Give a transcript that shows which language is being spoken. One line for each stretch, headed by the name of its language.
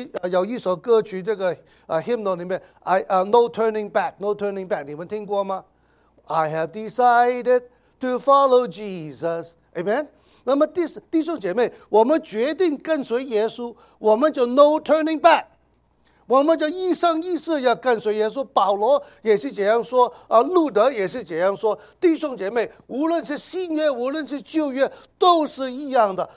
Chinese: 有一首歌曲，这个hymnal 里面 No Turning Back， 你们听过吗？
English: I have decided to follow Jesus。 Amen。
Chinese: 那么弟兄姐妹，我们决定跟随耶稣，我们就
English: no turning back，
Chinese: 我们就一生一世要跟随耶稣。保罗也是这样说，路德也是这样说。弟兄姐妹，无论是新约，无论是旧约，都是一样的。